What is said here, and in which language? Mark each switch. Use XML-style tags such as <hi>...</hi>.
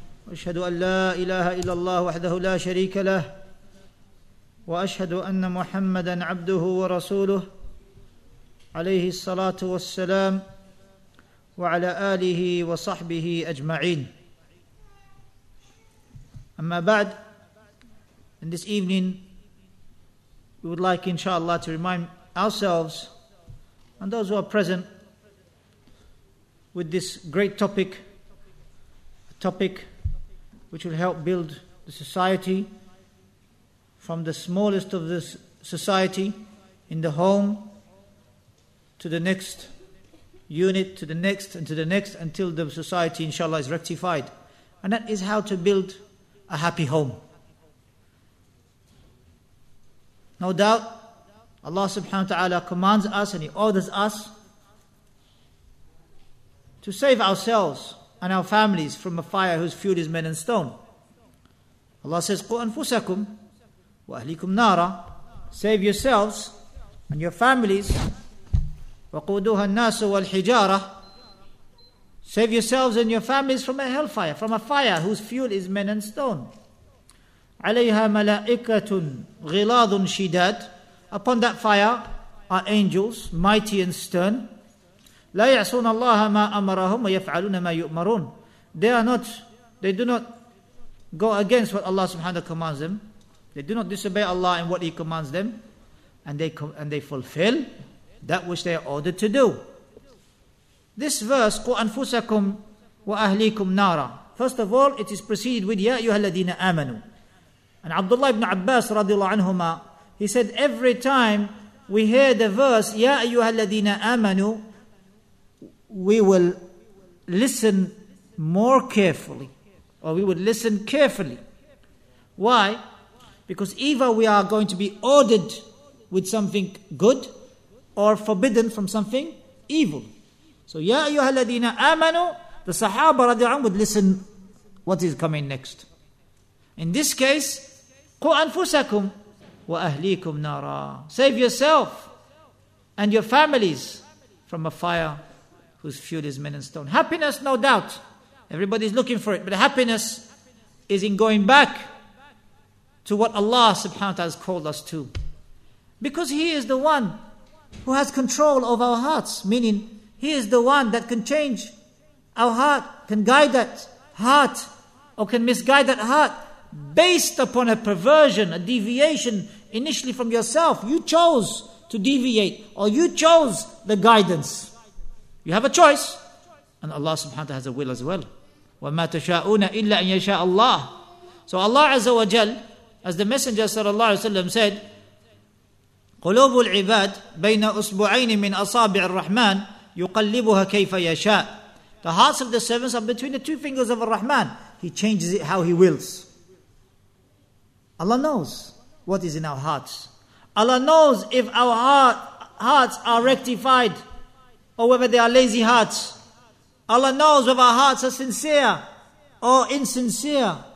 <ar>أشهد أن لا إله إلا الله وحده لا شريك له، وأشهد أن محمدًا عبده ورسوله، عليه الصلاة والسلام، وعلى آله وصحبه أجمعين. أما بعد،</ar> <en>in this evening, we would like, inshallah, to remind ourselves and those who are present with this great topic, a topic which will help build the society from the smallest of this society in the home to the next unit, to the next and to the next, until the society, inshallah, is rectified. And that is how to build a happy home. No doubt, Allah subhanahu wa ta'ala commands us and He orders us to save ourselves and our families from a fire whose fuel is men and stone. Allah says,</en> <ar>قُوا أَنفُسَكُمْ وَأَهْلِكُمْ نَارًا.</ar> <en>Save yourselves and your families.</en> <ar>وَقُودُهَا النَّاسُ وَالْحِجَارَةِ.</ar> <en>Save yourselves and your families from a hellfire, from a fire whose fuel is men and stone.</en> <ar>عَلَيْهَا مَلَائِكَةٌ غِلَاظٌ شِدَادٌ.</ar> <en>Upon that fire are angels, mighty and stern.</en> <ar>لَا يَعْصُونَ اللَّهَ مَا أَمَرَهُمْ وَيَفْعَلُونَ مَا يُؤْمَرُونَ.</ar> <en>They do not go against what Allah subhanahu wa ta'ala commands them. They do not disobey Allah in what He commands them. And they fulfill that which they are ordered to do. This verse,</en> <ar>قُوا أَنفُسَكُمْ وَأَهْلِيكُمْ نَارًا.</ar> <en>First of all, it is preceded with</en> <ar>يَا أَيُّهَا الَّذِينَ آمَنُوا.</ar> <en>And Abdullah ibn Abbas radiallahu anhuma, he said, every time we hear the verse يَا أَيُّهَا الَّذِينَ آمَنُوا, we will listen more carefully, or we will listen carefully. Why? Because either we are going to be ordered with something good or forbidden from something evil. So</en> <ar>يَا أَيُّهَا الَّذِينَ آمَنُوا,</ar> <en>the Sahaba radiallahu anhu would listen what is coming next. In this case,</en> <ar>قُوا أَنفُسَكُمْ وَأَهْلِيكُمْ نَارًا.</ar> <en>Save yourself and your families from a fire whose fuel is men and stone. Happiness, no doubt. Everybody's looking for it. But happiness is in going back to what Allah subhanahu wa ta'ala has called us to. Because He is the one who has control of our hearts. Meaning, He is the one that can change our heart, can guide that heart, or can misguide that heart. Based upon a perversion, a deviation initially from yourself. You chose to deviate, or you chose the guidance. You have a choice. And Allah subhanahu wa ta'ala has a will as well.</en> <ar>وَمَا تَشَاءُونَ إِلَّا أَنْ يَشَاءَ اللَّهِ.</ar> <en>So Allah Azza wa Jal, as the Messenger sallallahu alayhi wa sallam said,</en> <ar>قُلُوبُ الْعِبَادِ بَيْنَ أُصْبُعَيْنِ مِنْ أَصَابِعِ الرَّحْمَانِ يُقَلِّبُهَا كَيْفَ يَشَاءَ.</ar> <en>The hearts of the servants are between the two fingers of Ar-Rahman. He changes it how He wills. Allah knows what is in our hearts. Allah knows if our hearts are rectified or whether they are lazy hearts. Allah knows whether our hearts are sincere or insincere.</en>